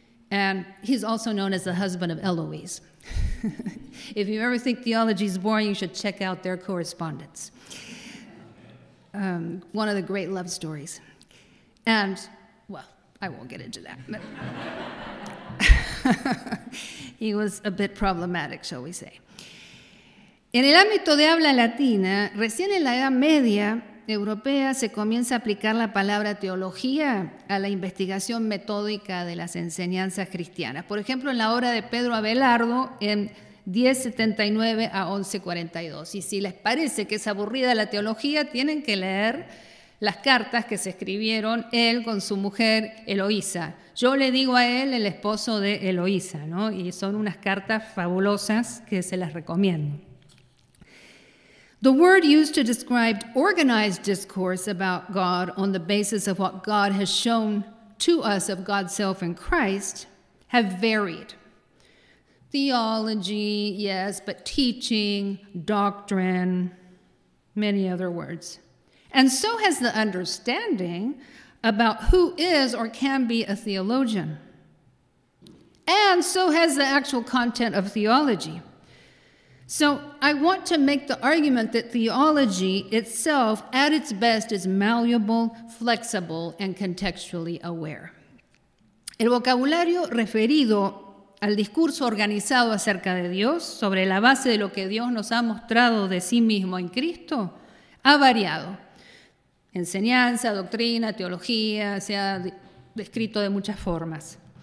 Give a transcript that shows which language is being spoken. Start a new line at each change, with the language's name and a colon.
English: And he's also known as the husband of Eloise. If you ever think theology is boring, you should check out their correspondence. One of the great love stories. And, well, I won't get into that. But he was a bit problematic, shall we say.
Spanish: En el ámbito de habla latina, recién en la Edad Media europea se comienza a aplicar la palabra teología a la investigación metódica de las enseñanzas cristianas. Por ejemplo, en la obra de Pedro Abelardo, en 1079 a 1142. Y si les parece que es aburrida la teología, tienen que leer las cartas que se escribieron él con su mujer Eloísa. Yo le digo a él el esposo de Eloísa, ¿no? Y son unas cartas fabulosas que se las recomiendo.
English: The word used to describe organized discourse about God on the basis of what God has shown to us of God's self in Christ have varied. Theology, yes, but teaching, doctrine, many other words. And so has the understanding about who is or can be a theologian. And so has the actual content of theology. So I want to make the argument that theology itself, at its best, is malleable, flexible, and contextually aware.
Spanish: El vocabulario referido al discurso organizado acerca de Dios, sobre la base de lo que Dios nos ha mostrado de sí mismo en Cristo, ha variado. Enseñanza, doctrina, teología, se ha descrito de muchas formas.